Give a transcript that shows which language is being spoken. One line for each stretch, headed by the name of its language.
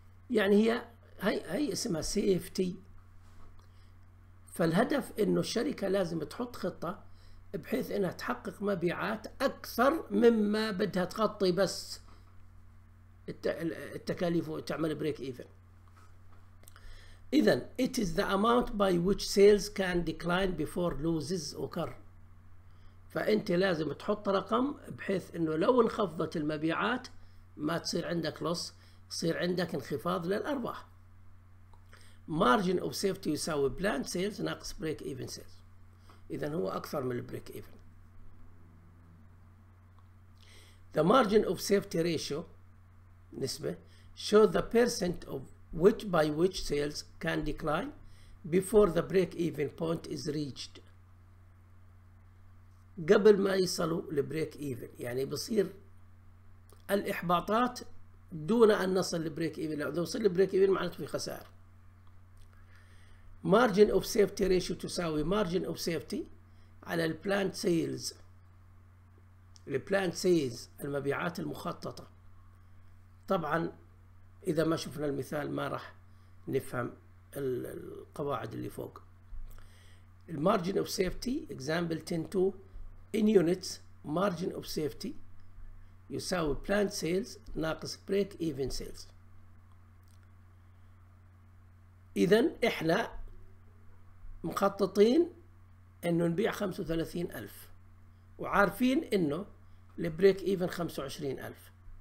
Arabic: يعني هي اسمها سيفتي. فالهدف انه الشركة لازم تحط خطة بحيث انها تحقق مبيعات اكثر مما بدها تغطي بس التكاليف وتعمل بريك ايفن.
English: اذا it is the amount by which sales can decline before losses occur.
Arabic: فانت لازم تحط رقم بحيث انه لو انخفضت المبيعات ما تصير عندك لص، تصير عندك انخفاض للارباح.
English: Margin of safety يساوي planned sales ناقص break even sales.
Arabic: إذا هو أكثر من break even.
English: The margin of safety ratio نسبة show the percent of which by which sales can decline before the break even point is reached.
Arabic: قبل ما يصلوا لبريك ايفن، يعني بصير الإحباطات دون أن نصل لبريك ايفن. لو وصل لبريك ايفن معناته في خسائر.
English: margin of safety ratio تساوي margin of safety على ال planned sales، ال planned sales
Arabic: المبيعات المخططة. طبعا إذا ما شفنا المثال ما راح نفهم القواعد اللي فوق.
English: ال margin of safety example 10-2 in units margin of safety يساوي planned sales ناقص break even sales.
Arabic: إذا إحنا مخططين انه نبيع 35,000 وعارفين انه البريك ايفن 25,000.